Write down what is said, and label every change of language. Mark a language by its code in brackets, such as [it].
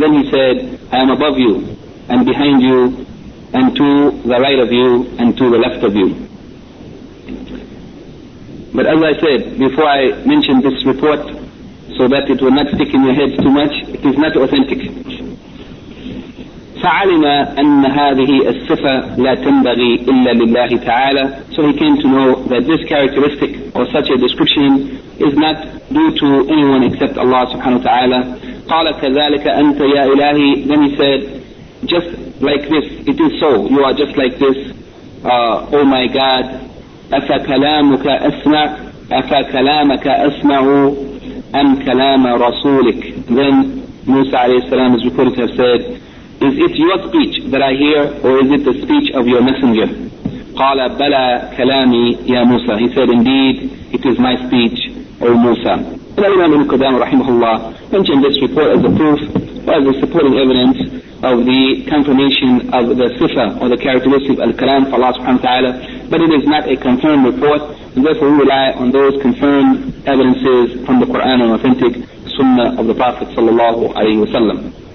[en] Then he said, I am above you and behind you and to the right of you and to the left of you. But as I said, before I mention this report, so that it will not stick in your head too much, it is not authentic. [ar] فعلم أن هذه الصفة لا تنبغي إلا لله تعالى. [en] So he came to know that this characteristic or such a description is not due to anyone except Allah subhanahu wa ta'ala. [ar] قال كذلك أنت يا إلهي. [en] Then he said, just like this, it is so, you are just like this. Oh my God, [ar] أفكلامك أسمع, أفكلامك أسمع أم كلام رسولك. [en] Then Musa عليه السلام is reported to have said, Is it your speech that I hear, or is it the speech of your messenger? [ar] قَالَ بَلَى كَلَامِي يَا مُوسَى. [en] He said, indeed, it is my speech, O Musa. And Al-Imam Ibn Qudamah rahimahullah mentioned this report as a proof, or as a supporting evidence of the confirmation of the sifa, or the characteristic of Al-Kalam for Allah subhanahu wa ta'ala, but it is not a confirmed report, and therefore we rely on those confirmed evidences from the Qur'an and authentic sunnah of the Prophet sallallahu alayhi wa sallam.